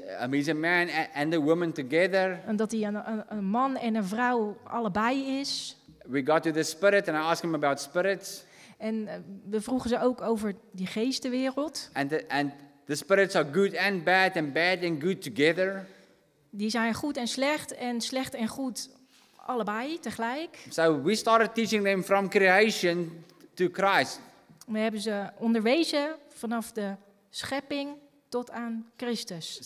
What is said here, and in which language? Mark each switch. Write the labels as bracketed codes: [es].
[en] he's a man and a woman together. [nl] En dat hij een man en een vrouw allebei is. [en] We got to the spirit and I asked him about spirits. [nl] En we vroegen ze ook over die geestenwereld. [en] And the spirits are good and bad and good together. [nl] Die zijn goed en slecht en goed. Allebei tegelijk. [en] So we started teaching them from creation to Christ. [nl] We hebben ze onderwezen vanaf de schepping tot aan Christus.